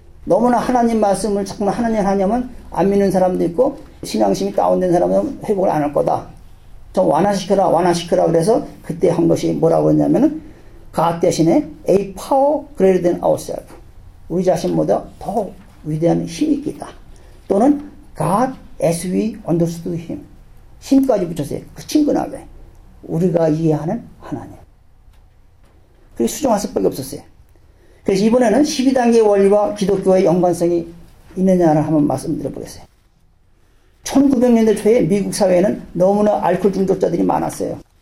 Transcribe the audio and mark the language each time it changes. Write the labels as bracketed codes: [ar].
[ko] 너무나 하나님 말씀을 정말 하나님 하냐면 안 믿는 사람도 있고 신앙심이 다운된 사람은 회복을 안할 거다. 좀 완화시켜라, 완화시켜라. 그래서 그때 한 것이 뭐라고 했냐면은 God 대신에 [en] A power greater than ourselves. [ko] 우리 자신보다 더 위대한 힘이 있다. [en] 또는 God as we understood him. [ko] 힘까지 붙였어요. 그 친근하게. 우리가 이해하는 하나님. 그게 수정할 수밖에 없었어요. 그래서 이번에는 12단계 원리와 기독교의 연관성이 있느냐를 한번 말씀드려 보겠어요. 1900년대 초에 미국 사회에는 너무나 알코올 중독자들이 많았어요.